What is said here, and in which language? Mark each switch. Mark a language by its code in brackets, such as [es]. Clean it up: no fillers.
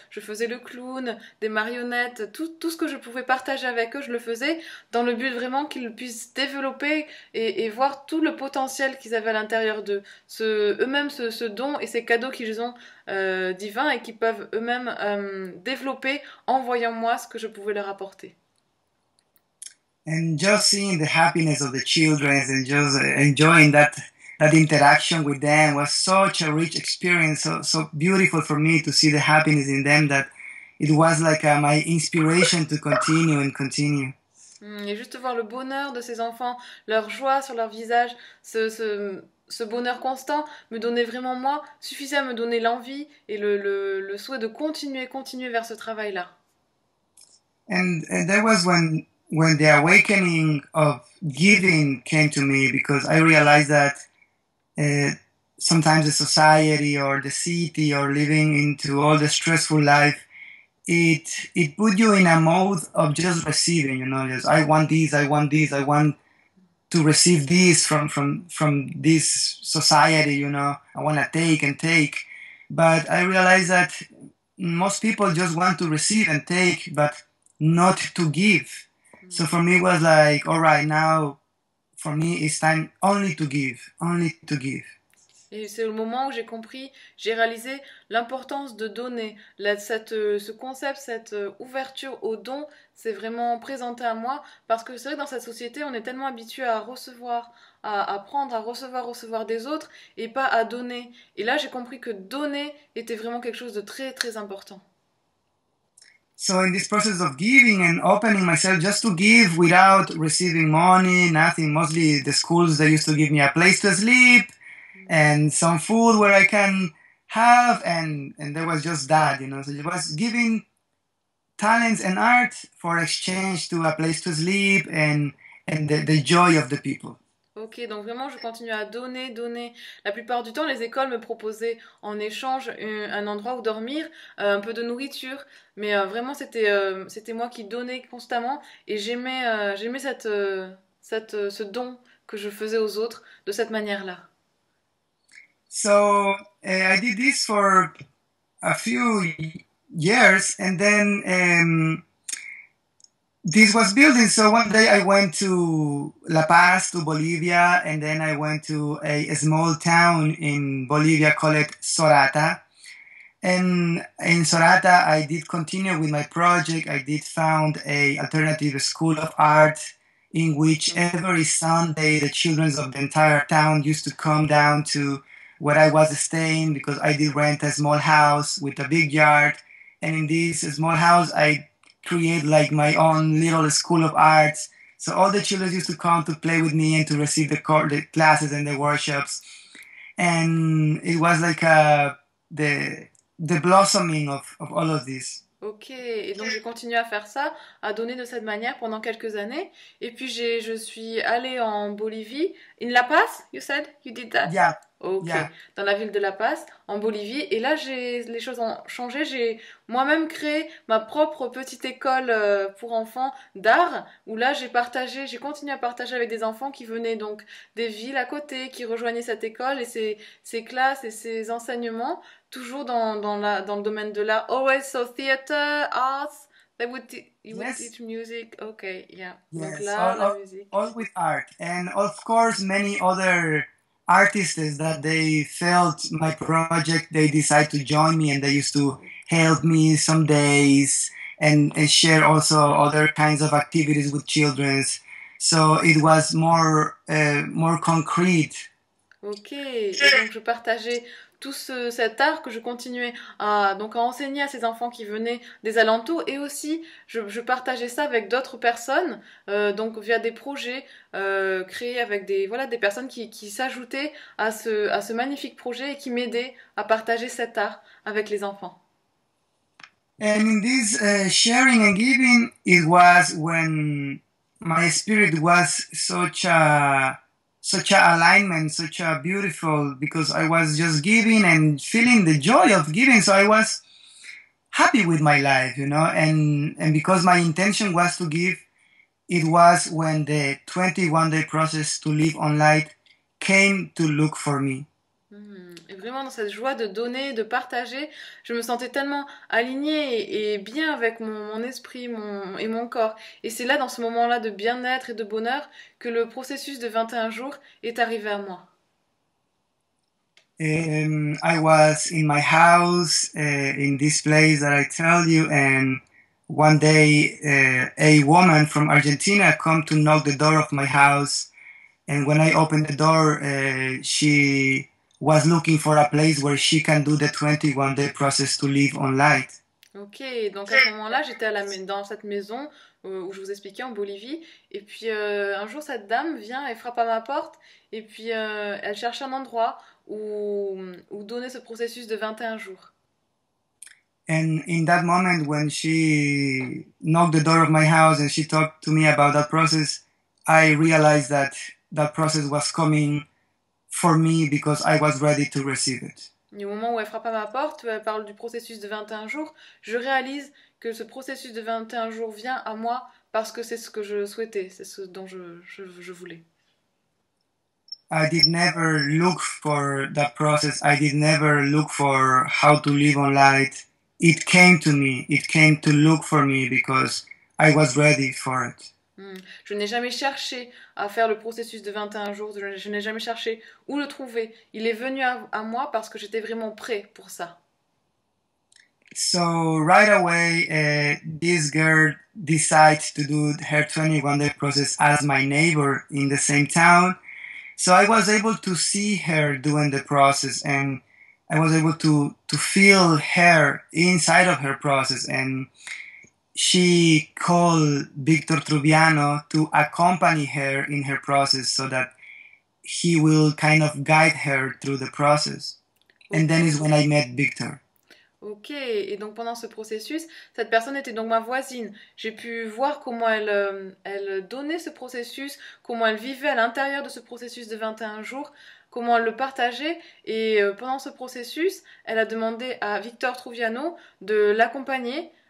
[fr] Je faisais le clown, des marionnettes, tout ce que je pouvais partager avec eux, je le faisais dans le but vraiment qu'ils puissent développer et voir tout le potentiel qu'ils avaient à l'intérieur d'eux, eux-mêmes ce don et ces cadeaux qu'ils ont divins et qui peuvent eux-mêmes développer en voyant moi ce que je pouvais leur apporter. [en] And just seeing the happiness of the children and just enjoying that interaction with them was such a rich experience, so beautiful for me to see the happiness in them that it was like my inspiration to continue and continue. [fr] Et juste voir le bonheur de ces enfants, leur joie sur leur visage, ce bonheur constant me donnait vraiment moi, suffisait à me donner l'envie et le souhait de continuer vers ce travail-là. [en] And that was when the awakening of giving came to me, because I realized that sometimes the society or the city or living into all the stressful life, it put you in a mode of just receiving, you know, just I want this, I want this, I want to receive this from this society, you know, I want to take and take. But I realized that most people just want to receive and take, but not to give. So for me, it was like, all right, now for me, it's time only to give, only to give. [fr] Et c'est au moment où j'ai compris, j'ai réalisé l'importance de donner. Ce concept, cette ouverture au don, s'est vraiment présenté à moi. Parce que c'est vrai que dans cette société, on est tellement habitué à recevoir, à prendre, à recevoir des autres, et pas à donner. Et là, j'ai compris que donner était vraiment quelque chose de très, très important. [en] So in this process of giving and opening myself just to give without receiving money, nothing, mostly the schools, they used to give me a place to sleep and some food where I can have, and there was just that, you know. So it was giving talents and art for exchange to a place to sleep and the joy of the people. [fr] Ok, donc vraiment, je continue à donner. La plupart du temps, les écoles me proposaient en échange un endroit où dormir, un peu de nourriture. Mais vraiment, c'était moi qui donnais constamment. Et j'aimais ce don que je faisais aux autres de cette manière-là. [en] So I did this for a few years, and then this was building. So one day I went to La Paz, to Bolivia, and then I went to a small town in Bolivia called Sorata. And in Sorata, I did continue with my project. I did found a alternative school of art in which every Sunday the children of the entire town used to come down to where I was staying, because I did rent a small house with a big yard. And in this small house, I create like my own little school of arts. So all the children used to come to play with me and to receive the classes and the workshops. And it was like the blossoming of all of this. [fr] Ok, et donc j'ai continué à faire ça, à donner de cette manière pendant quelques années. Et puis je suis allée en Bolivie, [en] in La Paz, you said, you did that. [fr] Ok, dans la ville de La Paz, en Bolivie. Et là, les choses ont changé. J'ai moi-même créé ma propre petite école pour enfants d'art, où là, j'ai continué à partager avec des enfants qui venaient donc des villes à côté, qui rejoignaient cette école et ses classes et ses enseignements, toujours dans le domaine de l'art. [en] Always so theater, arts, you would teach music. [fr] Ok, yeah. Donc là, la musique. [en] All with art, and of course, many other artists that they felt my project, they decide to join me, and they used to help me some days and share also other kinds of activities with children. So it was more concrete. [fr] Ok, et donc je partageais tout cet art que je continuais à enseigner à ces enfants qui venaient des alentours, et aussi je partageais ça avec d'autres personnes, donc via des projets créés avec des personnes qui s'ajoutaient à ce magnifique projet et qui m'aidaient à partager cet art avec les enfants. [en] And in this sharing and giving, it was when my spirit was such a alignment, such a beautiful, because I was just giving and feeling the joy of giving. So I was happy with my life, and because my intention was to give, it was when the 21-day process to live on light came to look for me. [fr] Et vraiment dans cette joie de donner, de partager, je me sentais tellement alignée et bien avec mon esprit, et mon corps. Et c'est là, dans ce moment-là de bien-être et de bonheur, que le processus de 21 jours est arrivé à moi. [en] I was in my house in this place that I tell you, and one day a woman from Argentina come to knock the door of my house, and when I opened the door, she was looking for a place where she can do the 21-day process to live on light. [fr] Ok, donc à ce moment-là, j'étais dans cette maison où je vous expliquais, en Bolivie. Et puis un jour, cette dame vient et frappe à ma porte. Et puis elle cherche un endroit où donner ce processus de 21 jours. [en] And in that moment, when she knocked the door of my house and she talked to me about that process, I realized that that process was coming for me because I was ready to receive it. [fr] Et au moment où elle frappe à ma porte, elle parle du processus de 21 jours, je réalise que ce processus de 21 jours vient à moi parce que c'est ce que je souhaitais, c'est ce dont je voulais. [en] I did never look for that process. I did never look for how to live on light. It came to me, it came to look for me because I was ready for it. [fr] Je n'ai jamais cherché à faire le processus de 21 jours, je n'ai jamais cherché où le trouver. Il est venu à moi parce que j'étais vraiment prêt pour ça. [en] So right away, this girl decides to do her 21-day process as my neighbor in the same town. So I was able to see her doing the process, and I was able to feel her inside of her process, and she called Victor Trubiano to accompany her in her process so that he will kind of guide her through the process. And then is when I met Victor. [fr] Ok, et donc pendant ce processus, cette personne était donc ma voisine. J'ai pu voir comment elle donnait ce processus, comment elle vivait à l'intérieur de ce processus de 21 jours, comment elle le partageait. Et pendant ce processus, elle a demandé à Victor Trubiano de l'accompagner.